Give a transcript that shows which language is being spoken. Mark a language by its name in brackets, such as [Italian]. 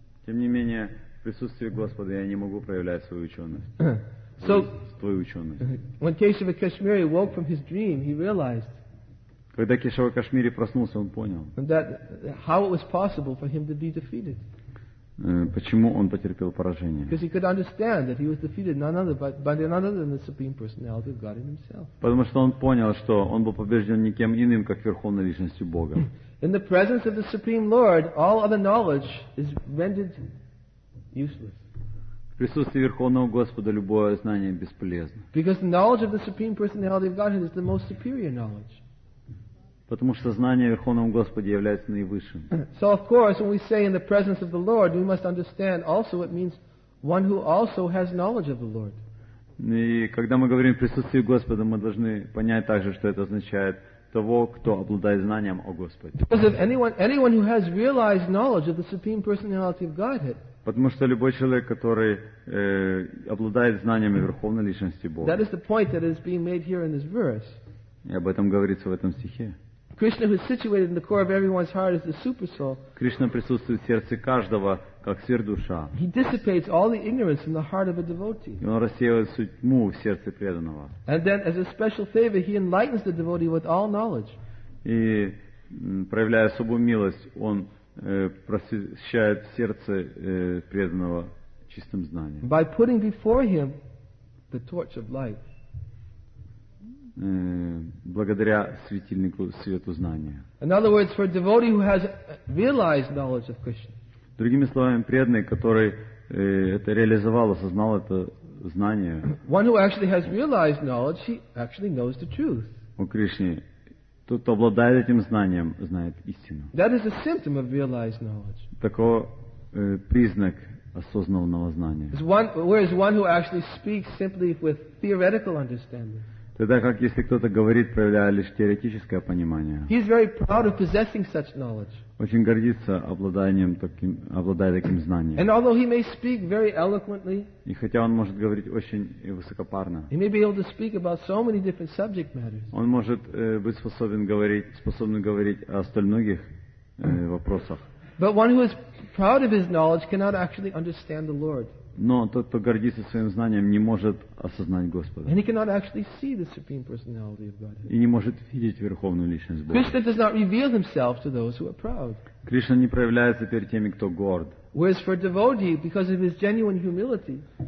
[Russian] Тем не менее, в присутствии Господа я не могу проявлять свою ученость. Твою ученость. [English] When Keshava Kashmiri woke from his dream, he realized. [Russian] Когда Кешава Кашмири проснулся, он понял. [English] That how it was possible for him to be defeated. [Russian] Почему он потерпел поражение? [English] Because he could understand that he was defeated none other but by none other than the Supreme Personality of God in himself. [Russian] Потому что он понял, что он был побежден никем иным, как Верховной Личностью Бога. [English] In the presence of the Supreme Lord, all other knowledge is rendered useless. [Russian] В присутствии Верховного Господа любое знание бесполезно. [English] Because the knowledge of the Supreme Personality of God is the most superior knowledge. [Russian] Потому что знание о Верховном Господе является наивысшим. [English] So of course, when we say in the presence of the Lord, we must understand also it means one who also has knowledge of the Lord. [Russian] И когда мы говорим в присутствии Господа, мы должны понять также, что это означает того, кто обладает знанием о Господе. [English] Because if anyone who has realized knowledge of the Supreme Personality of Godhead. [Russian] Потому что любой человек, который обладает знаниями Верховной Личности Бога. [English] That is the point that is being made here in this verse. [Russian] И об этом говорится в этом стихе. [English] Krishna, who is situated in the core of everyone's heart, is the super soul. [Russian] Кришна присутствует в сердце каждого как сверхдуша. [English] He dissipates all the ignorance in the heart of a devotee. [Russian] И он рассеивает всю тьму в сердце преданного. [English] And then, as a special favor, he enlightens the devotee with all knowledge. [Russian] И проявляя особую милость, он просвещает сердце преданного чистым знанием. [English] By putting before him the torch of light. [Russian] Благодаря светильнику свету знания. [English] In other words, for a devotee who has realized knowledge of Krishna. [Russian] Другими словами, преданный, который это реализовал, осознал это знание. [English] One who actually has realized knowledge, he actually knows the truth. [Russian] О Кришне, тот, кто обладает этим знанием, знает истину. [English] That is a symptom of realized knowledge. [Russian] Такой признак осознанного знания. [English] Whereas one who actually speaks simply with theoretical understanding. [Russian] Тогда как если кто-то говорит, проявляя лишь теоретическое понимание, [English] he is very proud of possessing such knowledge. [Russian] Очень гордится обладанием таким, обладая таким знанием. [English] And although he may speak very eloquently, [Russian] и хотя он может говорить очень высокопарно, [English] he may be able to speak about so many different subject matters. [Russian] Он может быть способен говорить о столь многих вопросах. [English] But one who is proud of his knowledge cannot actually understand the Lord. [Russian] Но тот, кто гордится своим знанием, не может осознать Господа. [English] And he cannot actually see the supreme personality of God. [Russian] И не может видеть Верховную Личность Бога. [English] Krishna does not reveal himself to those who are proud. [Russian] Кришна не проявляется перед теми, кто горд. [English] Whereas for a devotee, because of his genuine humility,